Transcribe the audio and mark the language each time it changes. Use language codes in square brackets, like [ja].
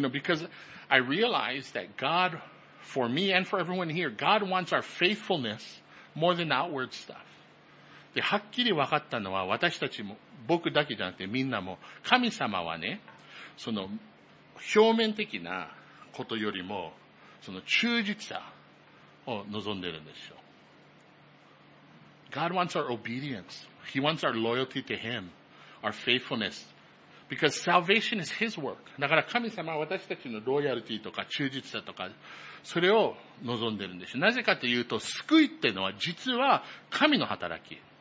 [en] know, because I realized that God, for me and for everyone here, God wants our faithfulness more than outward stuff. [ja] で、はっきり分かったのは、私たちも、 僕だけじゃなくてみんなも神様はね、その表面的なことよりも、その忠実さを望んでるんですよ。 [en] God wants our obedience. He wants our loyalty to Him, our faithfulness. Because salvation is His work. [ja] だから神様は私たちのロイヤルティとか忠実さとか、それを望んでるんですよ。なぜかというと、救いってのは実は神の働き。